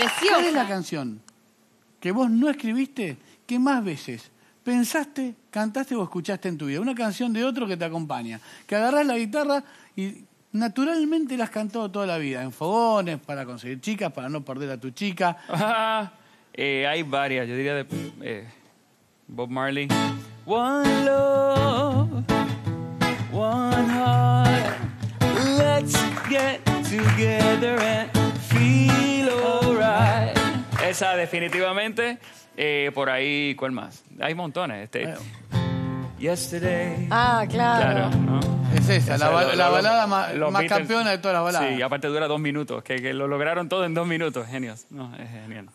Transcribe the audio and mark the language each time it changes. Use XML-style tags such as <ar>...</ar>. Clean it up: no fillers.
<es>¿Cuál es la canción que vos no escribiste, que más veces pensaste, cantaste o escuchaste en tu vida? Una canción de otro que te acompaña, que agarrás la guitarra y naturalmente la has cantado toda la vida, en fogones, para conseguir chicas, para no perder a tu chica. Hay varias, yo diría de Bob Marley.</es> <en>One love, one heart, let's get together and feel alright.</en> <es>Esa definitivamente, por ahí, ¿cuál más? Hay montones. Este. Bueno.</es> <en>Yesterday.</en> <es>Ah, claro. Claro, ¿no? Es esa, la balada más campeona de todas las baladas. Sí, aparte dura 2 minutos, que lo lograron todo en 2 minutos, genios. No, es genial.</es>